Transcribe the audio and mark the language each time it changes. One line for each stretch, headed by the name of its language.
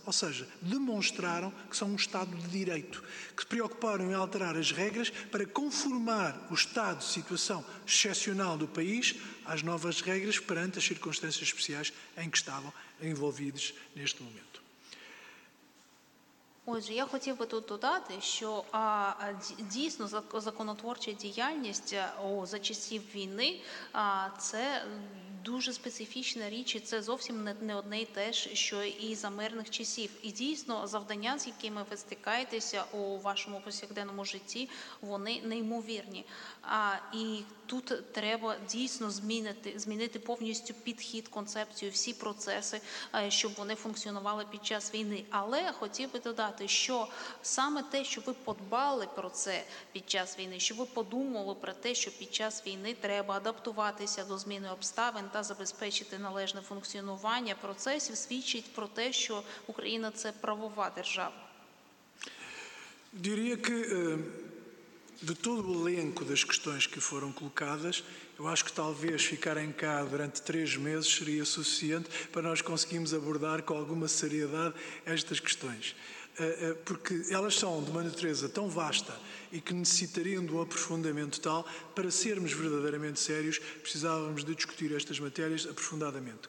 Portuguese: Ou seja, demonstraram que são um Estado de Direito, que se preocuparam em alterar as regras para conformar o estado de situação excepcional do país às novas regras perante as circunstâncias especiais em que estavam envolvidos neste momento.
Ukrainian: Отже, я хотів би тут додати, що дійсно законотворча діяльність за часів війни – це дуже специфічна річ, і це зовсім не одне й те ж, що і за мирних часів. І дійсно завдання, з якими ви стикаєтеся у вашому повсякденному житті, вони неймовірні. І тут треба дійсно змінити повністю підхід, концепцію, всі процеси, щоб вони функціонували під час війни. Але хотів би додати, що саме те, що ви подбали про це під час війни, що ви подумали про те, що під час війни треба адаптуватися до зміни обставин та забезпечити належне функціонування процесів, свідчить про те, що Україна – це правова держава.
Portuguese: Diria que de todo o elenco das questões que foram colocadas, eu acho que talvez ficar em cá durante três meses seria suficiente para nós conseguirmos abordar com alguma seriedade estas questões. porque elas são de uma natureza tão vasta e que necessitariam de um aprofundamento tal, para sermos verdadeiramente sérios, precisávamos de discutir estas matérias aprofundadamente.